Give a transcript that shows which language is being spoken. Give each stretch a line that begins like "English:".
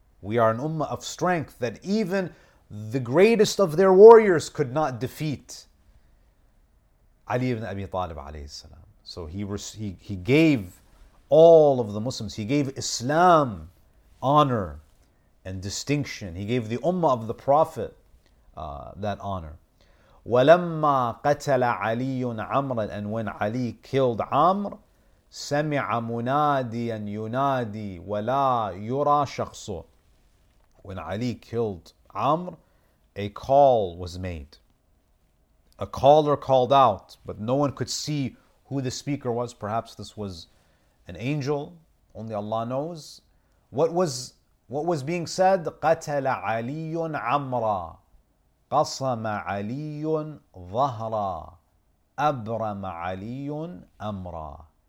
English: We are an ummah of strength, that even the greatest of their warriors could not defeat Ali ibn Abi Talib alayhi salam. So he gave all of the Muslims, he gave Islam honor and distinction. He gave the ummah of the Prophet that honor.
Arabic: وَلَمَّا قَتَلَ عَلِيٌّ عَمْرًا.
English: And when Ali killed Amr,
Arabic: سَمِعَ مُنَادِيًا يُنَادِي وَلَا يُرَى شَخْصُ.
English: When Ali killed Amr, a call was made. A caller called out, but no one could see who the speaker was. Perhaps this was an angel, only Allah knows. What was being said?
Arabic: قَتَلَ عَلِيٌّ عَمْرًا قَصَمَ عَلِيٌّ ظَهْرًا أَبْرَمَ عَلِيٌّ أَمْرًا.